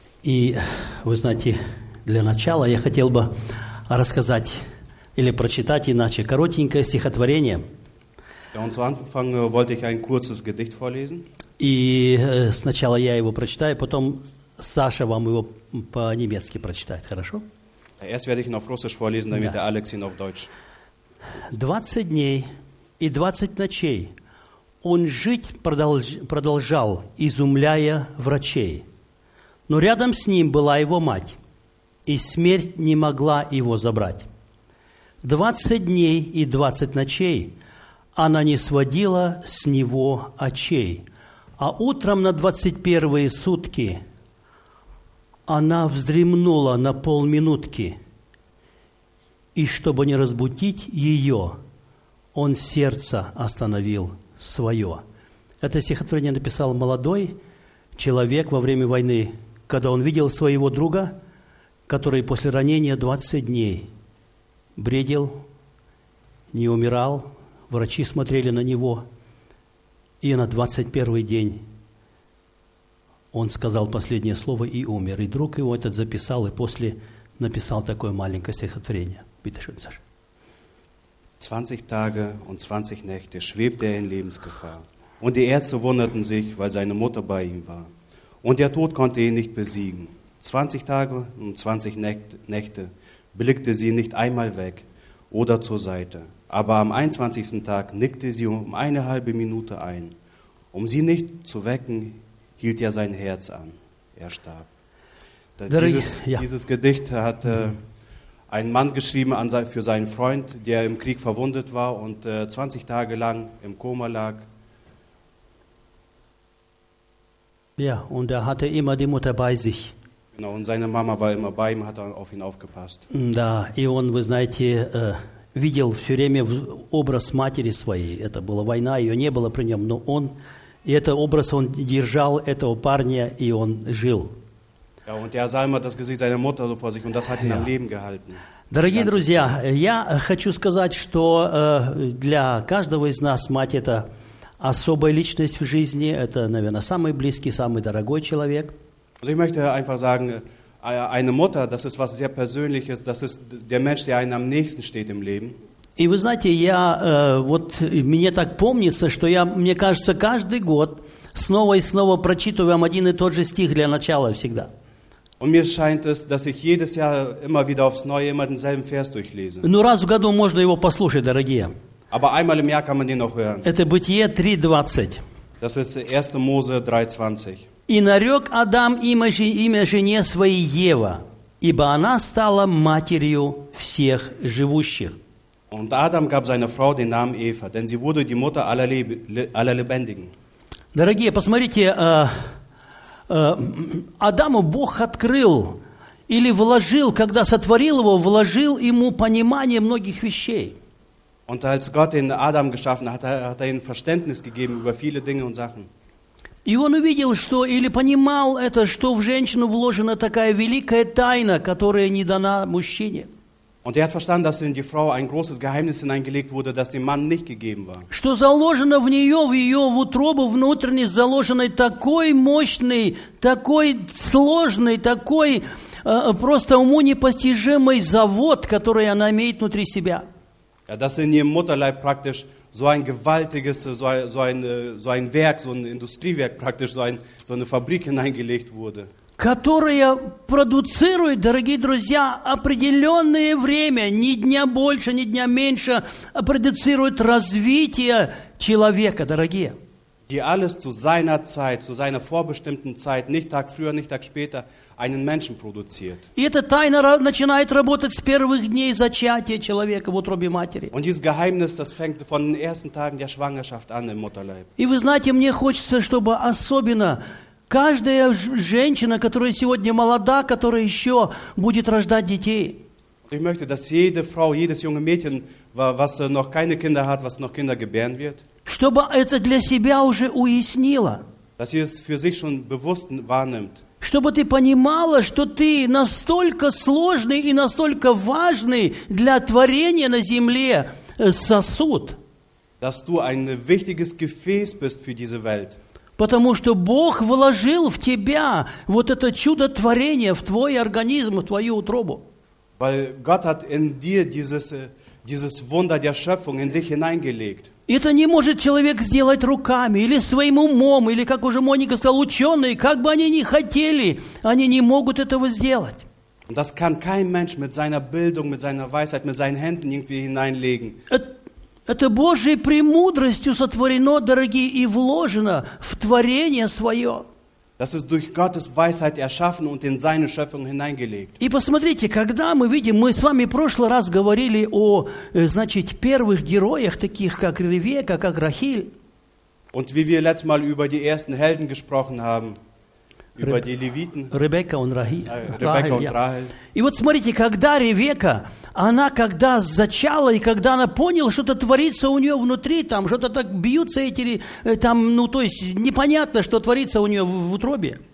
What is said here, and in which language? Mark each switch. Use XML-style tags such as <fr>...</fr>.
<ru>И вы знаете, для начала я хотел бы рассказать или прочитать иначе коротенькое стихотворение.</ru> <de>Ja, und zu Anfang wollte ich ein kurzes Gedicht vorlesen.</de> <ru>И сначала я его прочитаю, потом Саша вам его по-немецки прочитает, хорошо?</ru> <de>Erst werde ich ihn auf Russisch vorlesen, damit der Alex ihn auf Deutsch.</de> <ru>20 дней и 20 ночей он жить продолжал, изумляя врачей. Но рядом с ним была его мать, и смерть не могла его забрать. 20 дней и 20 ночей она не сводила с него очей. А утром на 21-е сутки она вздремнула на полминутки. И чтобы не разбудить ее, он сердце остановил свое. Это стихотворение написал молодой человек во время войны, когда он видел своего друга, который после ранения 20 дней бредил, не умирал. Врачи смотрели на него, и на 21-й день он сказал последнее слово и умер. И друг его этот записал и после написал такое маленькое стихотворение.</ru> <de>Bitte schön, Sascha. 20 Tage und 20 Nächte schwebte in Lebensgefahr. Und die Ärzte wunderten sich, weil seine Mutter bei ihm war. Und der Tod konnte ihn nicht besiegen. 20 Tage und 20 Nächte blickte sie nicht einmal weg oder zur Seite. Aber am 21. Tag nickte sie um eine halbe Minute ein. Um sie nicht zu wecken, hielt er sein Herz an. Er starb. Dieses Gedicht hat ein Mann geschrieben für seinen Freund, der im Krieg verwundet war und 20 Tage lang im Koma lag. Ja, und er hatte immer die Mutter bei sich. Genau, und seine Mama war immer bei ihm, hat auf ihn aufgepasst. Da, und wir sind hier...</de> <ru>видел все время образ матери своей. Это была война, ее не было при нем, но он, и этот образ он держал этого парня, и он жил. Дорогие друзья, я хочу сказать, что для каждого из нас мать – это особая личность в жизни, это, наверное, самый близкий, самый дорогой человек. Я хочу просто сказать,</ru> <de>eine Mutter, das ist was sehr Persönliches, das ist der Mensch, der einem am nächsten steht im Leben.</de> <ru>И вы знаете, я вот мне так помнится, что я, мне кажется, каждый год снова и снова прочитываю вам один и тот же стих для начала всегда.</ru> <de>Und mir scheint es, dass ich jedes Jahr immer wieder aufs Neue immer denselben Vers durchlese.</de> <ru>Ну раз в году можно его послушать, дорогие.</ru> <de>Aber einmal im Jahr kann man ihn noch hören.</de> <ru>Это Бытие 3:20.</ru> <de>Das ist 1. Mose 3:20.</de> <ru>«И нарек Адам имя жене своей Ева, ибо она стала матерью всех живущих».</ru> <de>Und Adam gab seiner Frau den Namen Eva, denn sie wurde die Mutter aller Lebendigen.</de> <ru>Дорогие, посмотрите, Адаму Бог открыл или вложил, когда сотворил его, вложил ему понимание многих вещей.</ru> <de>Und als Gott den Adam geschaffen hat, hat er ihm Verständnis gegeben über viele Dinge und Sachen.</de> <ru>И он увидел, что, или понимал это, что в женщину вложена такая великая тайна, которая не дана мужчине.</ru> <de>Und er hat verstanden, dass in die Frau ein großes Geheimnis hineingelegt wurde, das dem Mann nicht gegeben war.</de> <ru>Что заложено в нее, в ее в утробу внутренней заложенной такой мощной, такой сложной, такой просто уму непостижимый завод, который она имеет внутри себя.</ru> <de>Ja, dass in ihrem Mutterleib praktisch so ein gewaltiges, so ein Werk, so ein Industriewerk praktisch, so eine Fabrik hineingelegt wurde.</de> <ru>Которая продуцирует, дорогие друзья, определенное время, ни дня больше, ни дня меньше, продуцирует развитие человека, дорогие.</ru> <de>Die alles zu seiner Zeit, zu seiner vorbestimmten Zeit, nicht Tag früher, nicht Tag später, einen Menschen produziert.</de> <ru>И эта тайна начинает работать с первых дней зачатия человека в утробе матери.</ru> <de>Und dieses Geheimnis, das fängt von den ersten Tagen der Schwangerschaft an im Mutterleib.</de> <ru>И вы знаете, мне хочется, чтобы особенно каждая женщина, которая сегодня молода, которая еще будет рождать детей.</ru> <de>Ich möchte, dass jede Frau, jedes junge Mädchen, was noch keine Kinder hat, was noch Kinder gebären wird,</de> <ru>чтобы это для себя уже уяснило.</ru> <de>Dass sie es für sich schon bewusst wahrnimmt.</de> <ru>Чтобы ты понимала, что ты настолько сложный и настолько важный для творения на земле сосуд.</ru> <de>Dass du ein wichtiges Gefäß bist für diese Welt.</de> <ru>Потому что Бог вложил в тебя вот это чудотворение, в твой организм, в твою утробу.</ru> <de>Weil Gott hat in dir dieses Wunder der Schöpfung in dich hineingelegt.</de> <ru>Это не может человек сделать руками, или своим умом, или, как уже Моника сказала, ученые, как бы они ни хотели, они не могут этого сделать.</ru> <de>Das kann kein Mensch mit seiner Bildung, mit seiner Weisheit, mit seinen Händen irgendwie hineinlegen.</de> <ru>Это Божьей премудростью сотворено, дорогие, и вложено в творение свое.</ru> <de>Das ist durch Gottes Weisheit erschaffen und in seine Schöpfung hineingelegt.</de> <ru>И посмотрите, когда мы видим, мы с вами в прошлый раз говорили о, значит, первых героях, таких как Ревека, как Рахиль.</ru> <de>Und wie wir letztes Mal über die ersten Helden gesprochen haben, über die Leviten. Ребекка und Рахиль. Ребекка und Рахиль.</de> <ru>И вот смотрите, когда Ревека, она когда зачала, и когда она поняла, что-то творится у нее внутри, там что-то так бьются эти, там, ну, то есть непонятно, что творится у нее в утробе.</ru>